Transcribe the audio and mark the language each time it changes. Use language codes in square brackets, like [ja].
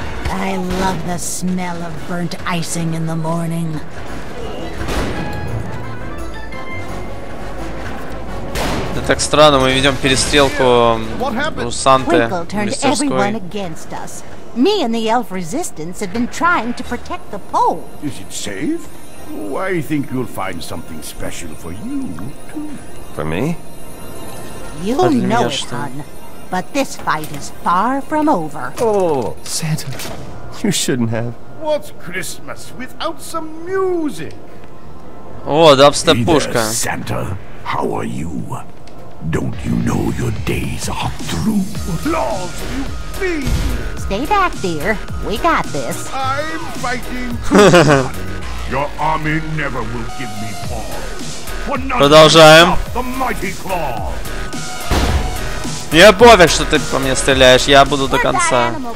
[en] I love the smell of burnt icing in the morning. [ru] Это так странно, мы ведем перестрелку у Санты мастерской. [en] Me and the Elf Resistance have been trying to protect the pole. Is it safe? Oh, I think you'll find something special for you, too. For me? You know it, hon. But this fight is far from over. Oh, Santa, you shouldn't have. What's Christmas without some music? [ru] О, дабстеп-пушка. [en] Hey there, Santa. How are you? Don't you know your days are through? Laws, you fiend! Stay back, dear. We got this. I'm fighting Christmas. Your army never will give me pause. For nothing without the mighty claw. [ru] Мне пофиг, что ты по мне стреляешь, я буду до конца.